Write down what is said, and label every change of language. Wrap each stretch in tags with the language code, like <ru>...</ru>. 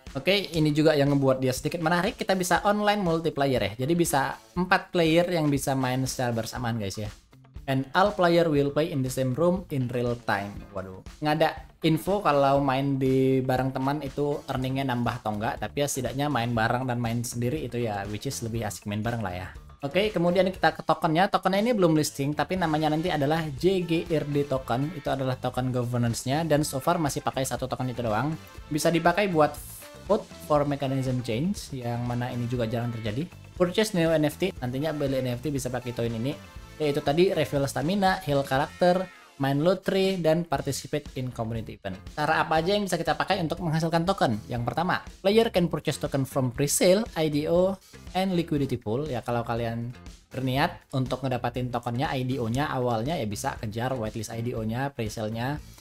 <id>Oke, ini juga yang membuat dia sedikit menarik, kita bisa online multiplayer ya. Jadi bisa 4 player yang bisa main secara bersamaan guys ya.</id> <en>And all player will play in the same room in real time.</en> <id>Waduh, nggak ada info kalau main di bareng teman itu earningnya nambah atau enggak. Tapi ya setidaknya main bareng dan main sendiri itu ya,</id> <en>which is</en> <id>lebih asik main bareng lah ya. Oke, kemudian kita ke tokennya. Tokennya ini belum listing, tapi namanya nanti adalah JGRD token. Itu adalah token governance-nya, dan so far masih pakai satu token itu doang. Bisa dipakai buat</id> <en>vote for mechanism change,</en> <id>yang mana ini juga jarang terjadi.</id> <en>Purchase new NFT,</en> <id>nantinya beli NFT bisa pakai token ini. Yaitu tadi,</id> <en>refill stamina, heal karakter,</en> <id>main lottery, dan</id> <en>participate in community event.</en> <id>Cara apa aja yang bisa kita pakai untuk menghasilkan token? Yang pertama,</id> <en>player can purchase token from presale, IDO, and liquidity pool.</en> <id>Ya kalau kalian berniat untuk ngedapatin tokennya, IDO-nya awalnya, ya bisa kejar whitelist IDO-nya, presale-nya.</id>